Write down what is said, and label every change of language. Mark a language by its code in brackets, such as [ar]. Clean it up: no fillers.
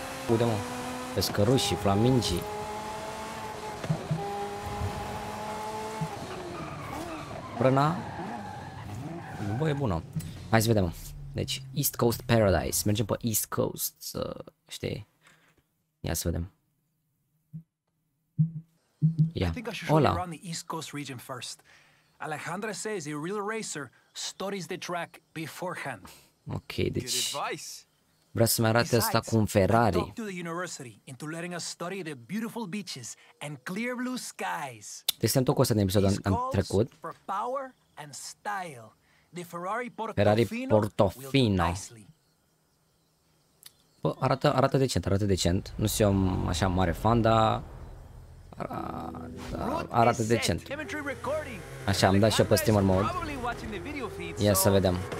[ro] Uite, mă. Pescărușii, flamingii. Prăna. Bă, e bună. Hai să vedem. Deci, East Coast Paradise. Mergem pe East Coast, să știi. Ia să vedem. [en] Yeah. I think I should show you around the East Coast region first. Alejandra says a real racer studies the track beforehand. Okay, deci... good advice. [ro] Vreau să-mi arate asta cu un Ferrari. [en] Talk to the university into letting us study the beautiful beaches and clear blue skies. [ro] Deci am tot cu asta din episodul în trecut. [en] For power and style. The Ferrari Portofino. [ro] Bă, arată decent, arată decent. Nu sunt eu așa mare fan, dar... arată decent. Așa, am dat și eu pe streamer mode. Ia să vedem.